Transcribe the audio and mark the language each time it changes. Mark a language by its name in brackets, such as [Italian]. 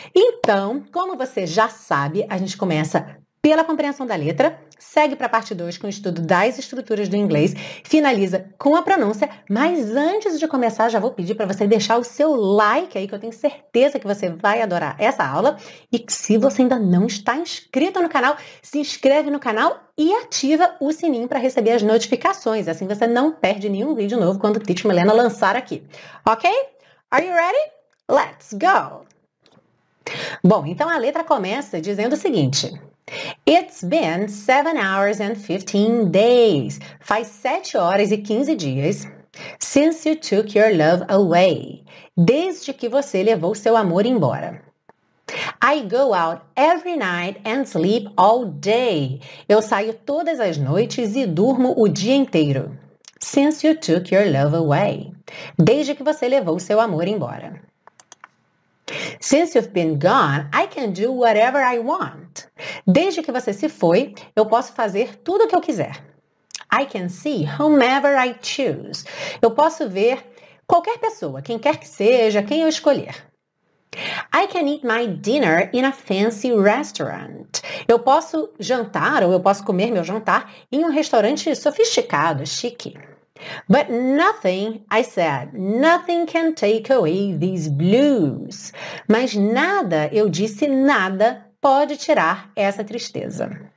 [Portuguese] Então, como você já sabe, a gente começa pela compreensão da letra, segue para a parte 2 com o estudo das estruturas do inglês, finaliza com a pronúncia, mas antes de começar, já vou pedir para você deixar o seu like aí, que eu tenho certeza que você vai adorar essa aula, e que se você ainda não está inscrito no canal, se inscreve no canal e ativa o sininho para receber as notificações, assim você não perde nenhum vídeo novo quando o Teach Milena lançar aqui, ok? [English] Are you ready? Let's go! [Portuguese] Bom, então a letra começa dizendo o seguinte: [English] It's been 7 hours and 15 days. [Portuguese] Faz 7 horas e 15 dias [English] since you took your love away. [Portuguese] Desde que você levou seu amor embora. [English] I go out every night and sleep all day. [Portuguese] Eu saio todas as noites e durmo o dia inteiro. [English] Since you took your love away. [Portuguese] Desde que você levou seu amor embora. [English] Since you've been gone, I can do whatever I want. [Portuguese] Desde que você se foi, eu posso fazer tudo o que eu quiser. [English] I can see whomever I choose. [Portuguese] Eu posso ver qualquer pessoa, quem quer que seja, quem eu escolher. [English] I can eat my dinner in a fancy restaurant. [Portuguese] Eu posso jantar ou eu posso comer meu jantar em um restaurante sofisticado, chique. [English] But nothing, I said, nothing can take away these blues. [Portuguese] Mas nada, eu disse, nada pode tirar essa tristeza.